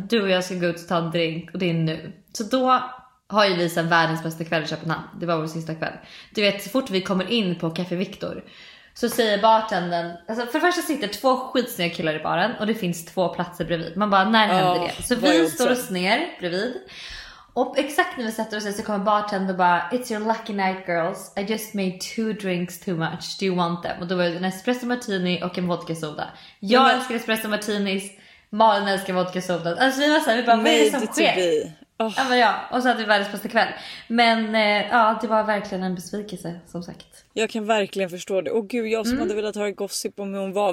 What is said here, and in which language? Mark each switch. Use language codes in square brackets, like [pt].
[sv] Men du och jag ska gå ut och ta en drink. Och det är nu. Så då har ju vi sen världens bästa kväll i Köpenhamn. Det var vår sista kväll. Du vet, så fort vi kommer in på Café Victor så säger bartenden, alltså för det första sitter 2 skitsniga killar i baren och det finns 2 platser bredvid. Man bara, när händer det? Så vi står oss ner bredvid. Och exakt när vi sätter oss ner så kommer bartenden bara, [en] it's your lucky night girls. I just made 2 drinks too much. Do you want them? [sv] Och då var det en espresso martini och en vodka soda. Jag älskar espresso martinis. Malin älskar vodka soda. Alltså vi var så här, vi bara, vad är det som sker? Ja, och så hade vi världens bästa kväll. Men ja, det var verkligen en besvikelse, som sagt. Jag kan verkligen förstå det. Åh gud, jag som hade velat höra gossip om hur hon var.